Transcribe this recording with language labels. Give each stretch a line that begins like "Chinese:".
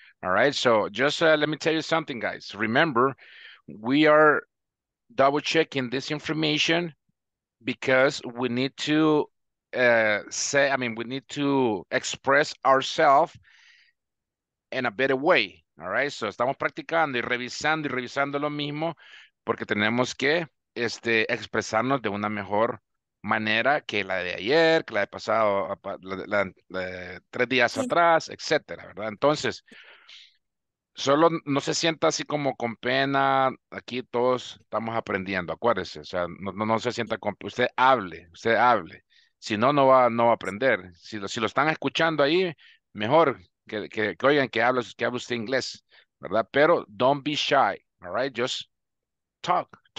English: All right, so just let me tell you something, guys. Remember, we are double checking this information because we need to we need to express ourselves in a better way. All right, so
Spanish: estamos practicando y revisando lo mismo porque tenemos que expresarnos de una mejor manera que la de ayer, que la de pasado, la de tres días atrás, etcétera, ¿verdad? Entonces, solo no se sienta así como con pena, aquí todos estamos aprendiendo, acuérdese, o sea, no se sienta con pena, usted hable, si no, no va a aprender, si lo están escuchando ahí, mejor que oigan que hable usted inglés, ¿verdad? Pero
English: don't be shy, all right, just talk.